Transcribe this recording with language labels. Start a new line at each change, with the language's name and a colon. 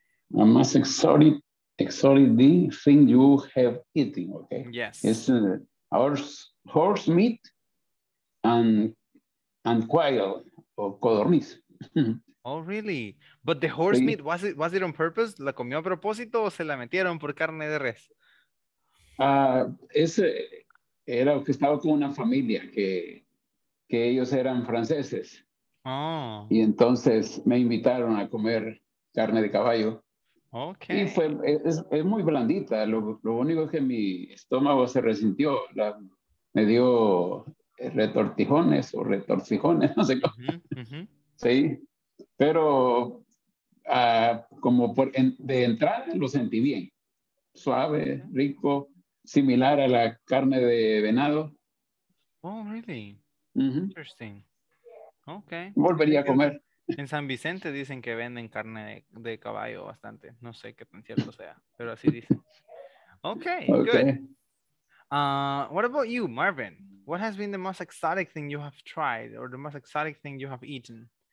English: The most exotic thing you have eaten, okay? Yes. It's horse meat and quail or codorniz. Oh, really? But the horse meat, was it on purpose?
Spanish: ¿La comió a propósito o se la metieron por carne de res? Era que estaba con una familia que ellos eran franceses. Oh. Y entonces me invitaron a comer carne de caballo.
English: Okay.
Spanish: Y fue, es muy blandita. Lo único es que mi estómago se resintió. Me dio retortijones o retorcijones, no sé cómo. Mm-hmm. Sí. Pero como de entrada lo sentí bien. Suave, rico, similar a la carne de venado.
English: Oh, really? Mm-hmm. Interesting. Okay.
Spanish: Volvería a comer. En San Vicente dicen que venden carne de caballo bastante. No sé qué tan cierto sea, pero así dicen.
English: Okay. Good. What about you, Marvin? What has been the most exotic thing you have tried or the most exotic thing you have eaten?